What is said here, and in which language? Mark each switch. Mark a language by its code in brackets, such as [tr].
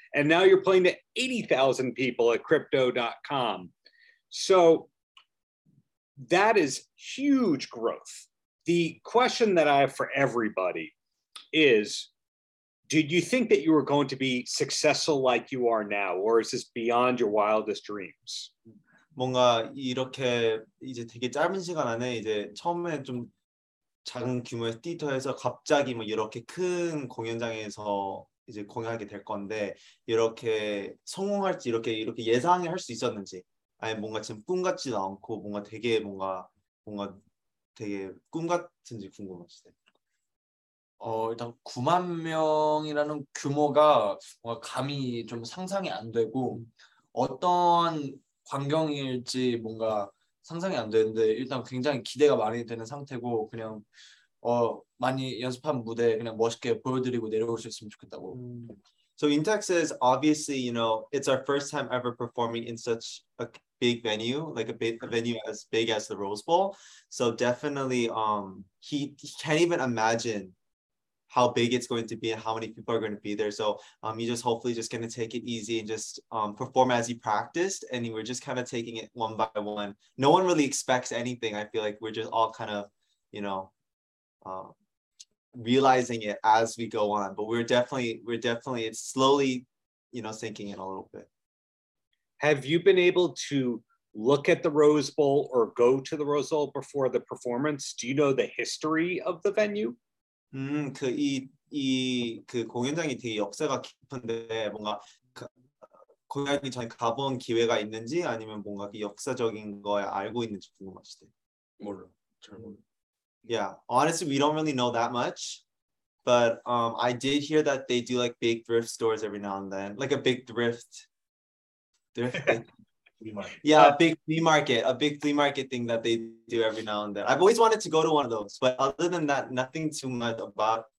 [en] And now you're playing to 80,000 people at crypto.com. So that is huge growth. The question that I have for everybody is, did you think that you were going to be successful like you are now, or is this beyond your wildest dreams? [ko] 뭔가 이렇게 이제 되게 짧은 시간 안에 이제 처음에 좀 작은 규모의 띠터에서 갑자기 뭐 이렇게 큰 공연장에서 이제 공연하게 될 건데 이렇게 성공할지 이렇게 예상을 할 수 있었는지, 아니 뭔가 지금 꿈 같지도 않고 뭔가 되게 뭔가 되게 꿈 같은지 궁금하시대. 일단 9만 명이라는 규모가 뭔가 감이 좀 상상이 안 되고 어떤 광경일지 뭔가 상상이 안 되는데 일단 굉장히 기대가 많이 되는 상태고 그냥 많이 연습한 무대 그냥 멋있게 보여드리고 내려올 수 있으면 좋겠다고. [en] So Intex says obviously, you know, it's our first time ever performing in such a big venue, like a venue as big as the Rose Bowl. So definitely he can't even imagine how big it's going to be and how many people are going to be there. So you just hopefully just going to take it easy and just perform as you practiced. And we're just kind of taking it one by one. No one really expects anything. I feel like we're just all kind of, you know, realizing it as we go on. But we're definitely, it's slowly, you know, sinking in a little bit. Have you been able to look at the Rose Bowl or go to the Rose Bowl before the performance? Do you know the history of the venue? [ko] 그 공연장이 되게 역사가 깊은데 뭔가 공연하기 전에 가본 기회가 있는지 아니면 뭔가 그 역사적인 거에 알고 있는지 궁금하시대. 몰라. 잘 모르겠어. [en] Yeah, honestly, we don't really know that much. But I did hear that they do like big thrift stores every now and then. Like a big thrift market. Yeah, a big flea market thing that they do every now and then. I've always wanted to go to one of those, but other than that, nothing too much about.